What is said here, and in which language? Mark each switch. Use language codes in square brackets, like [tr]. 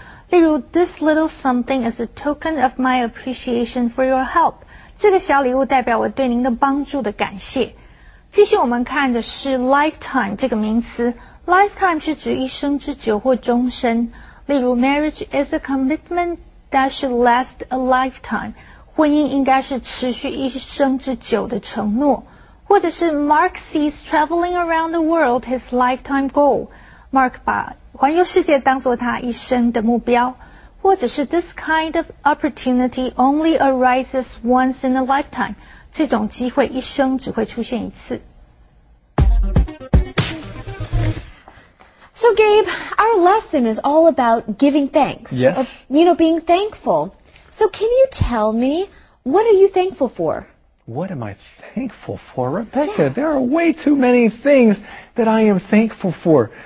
[en] 例如 this little something is a token of my appreciation for your help. [zh] 这个小礼物代表我对您的帮助的感谢。继续我们看的是 lifetime 这个名词。 Lifetime 是指一生之久或终身。 [en] 例如 marriage is a commitment that should last a lifetime. [zh] 婚姻应该是持续一生之久的承诺。 [en] 或者是 Mark sees traveling around the world his lifetime goal. [zh] Mark 把环游世界当作他一生的目标。 [en] 或者是 this kind of opportunity only arises once in a lifetime. [zh] 这种机会一生只会出现一次。 [en] So Gabe, our lesson is all about giving thanks. Yes. You know, being thankful. So can you tell me, what are you thankful for? What am I thankful for, Rebecca? Yeah. There are way too many things that I am thankful for.